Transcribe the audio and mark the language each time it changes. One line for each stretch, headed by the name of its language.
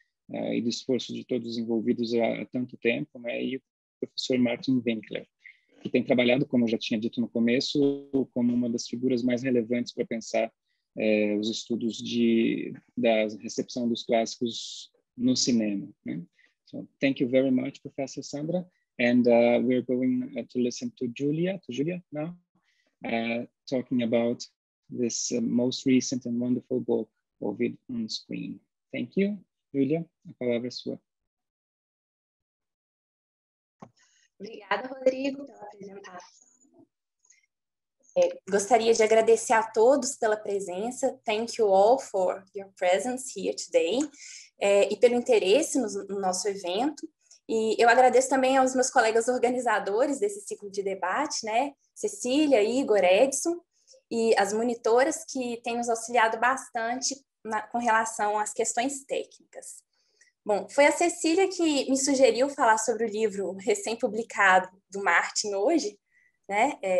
Portuguese: e do esforço de todos os envolvidos há tanto tempo, né, e o professor Martin Winkler, que tem trabalhado, como eu já tinha dito no começo, como uma das figuras mais relevantes para pensar os estudos da recepção dos clássicos no cinema. Né?
English: So, thank you very much, Professor Sandra, and we're going to listen to Julia, now, talking about this most recent and wonderful book, Ovid on Screen. Thank you, Julia.
Portuguese: A palavra é sua. Obrigada, Rodrigo, pela apresentação. Gostaria de agradecer a todos pela presença.
English: Thank you all for your presence here today.
Portuguese: E pelo interesse no nosso evento. E eu agradeço também aos meus colegas organizadores desse ciclo de debate, né? Cecília, Igor, Edson, e as monitoras que têm nos auxiliado bastante com relação às questões técnicas. Bom, foi a Cecília que me sugeriu falar sobre o livro recém-publicado do Martin hoje, né?